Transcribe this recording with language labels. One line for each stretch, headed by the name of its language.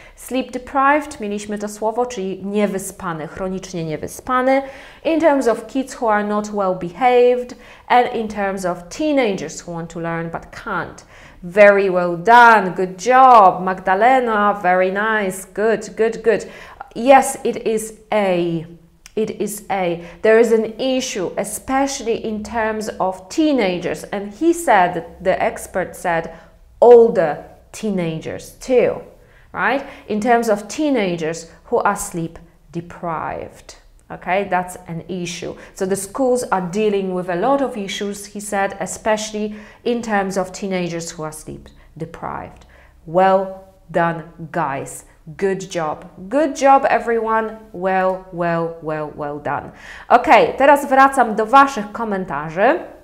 English: Sleep deprived,
Polish: mieliśmy to słowo, czyli niewyspany, chronicznie niewyspany.
English: In terms of kids who are not well behaved. And in terms of teenagers who want to learn but can't. Very well done, good job, Magdalena, very nice, good, good, good. Yes, it is a... It is a, there is an issue, especially in terms of teenagers. And he said, the expert said, older teenagers too, right? In terms of teenagers who are sleep deprived. Okay, that's an issue. So the schools are dealing with a lot of issues, he said, especially in terms of teenagers who are sleep deprived. Well done, guys. Good job. Good job, everyone. Well, well, well, well done.
Polish: Ok, teraz wracam do Waszych komentarzy.